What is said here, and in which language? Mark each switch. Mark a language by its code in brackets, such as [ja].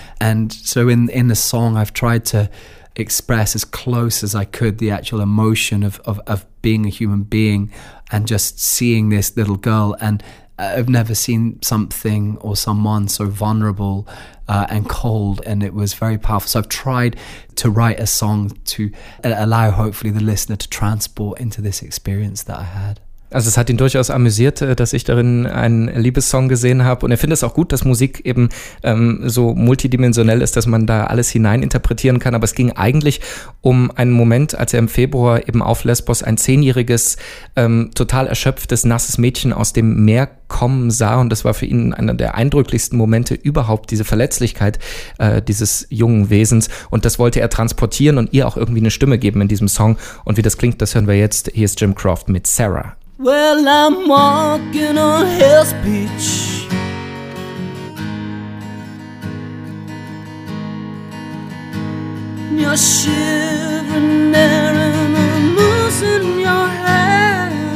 [en] And so in the song, I've tried to express as close as I could the actual emotion of being a human being and just seeing this little girl. And I've never seen something or someone so vulnerable and cold, and it was very powerful. So I've tried to write a song to allow hopefully the listener to transport into this experience that I had. [de] Also es hat ihn durchaus amüsiert, dass ich darin einen Liebessong gesehen habe, und er findet es auch gut, dass Musik eben so multidimensionell ist, dass man da alles hineininterpretieren kann. Aber es ging eigentlich um einen Moment, als er im Februar eben auf Lesbos ein 10-jähriges, total erschöpftes, nasses Mädchen aus dem Meer kommen sah, und das war für ihn einer der eindrücklichsten Momente überhaupt, diese Verletzlichkeit dieses jungen Wesens, und das wollte er transportieren und ihr auch irgendwie eine Stimme geben in diesem Song. Und wie das klingt, das hören wir jetzt. Hier ist Jim Croft mit Sarah. [en] Well, I'm walking on Hell's Beach, you're shivering there and I'm losing your hair.